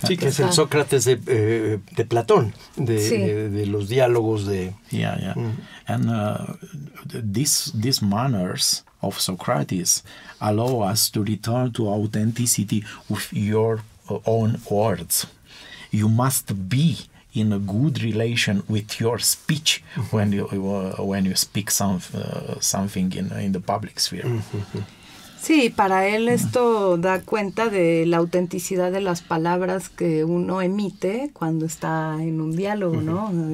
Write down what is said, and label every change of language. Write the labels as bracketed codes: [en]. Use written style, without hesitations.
[es] Sí, que es el Sócrates de Platón, de los diálogos de... [en] Yeah, yeah. And these manners of Socrates allow us to return to authenticity with your own words. You must be in a good relation with your speech when you speak something in the public sphere. [es] Sí, para él esto da cuenta de la autenticidad de las palabras que uno emite cuando está en un diálogo, ¿no?